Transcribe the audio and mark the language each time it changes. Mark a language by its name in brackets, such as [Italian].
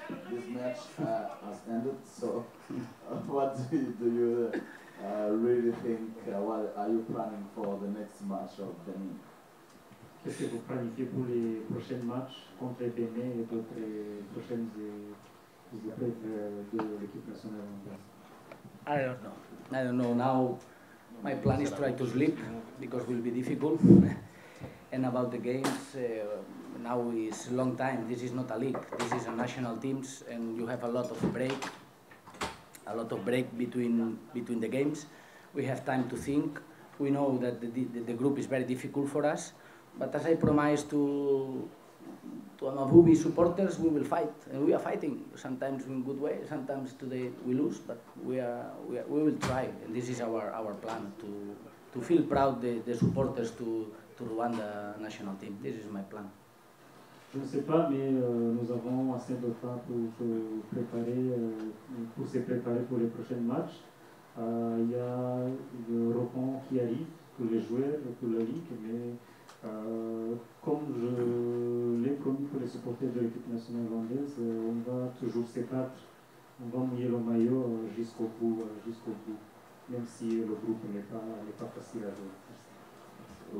[English] This match has ended, so what do you really think? What are you planning for the next match of Benin? [French] Qu'est-ce que vous planifiez pour les prochains matchs contre Benin et d'autres prochaines épreuves de l'équipe nationale anglaise? [English] I don't know. I don't know. Now, my plan is try to sleep because it will be difficult. And about the games, now is a long time. This is not a league. This is a national teams, and you have a lot of break between the games. We have time to think. We know that the group is very difficult for us. But as I promised to Amavubi supporters, we will fight, and we are fighting. Sometimes in good way, sometimes today we lose, but we will try, and this is our plan to feel proud the supporters to Rwanda national team. This is my plan. Thank you. [French] Je ne sais pas, mais nous avons assez de temps pour se préparer, pour se préparer pour les prochains matchs. Il y a le repos qui arrive pour les joueurs, pour la Ligue, mais comme je l'ai promis pour les supporters de l'équipe nationale hollandaise, on va toujours se battre, on va mouiller le maillot jusqu'au bout, même si le groupe n'est pas facile à jouer.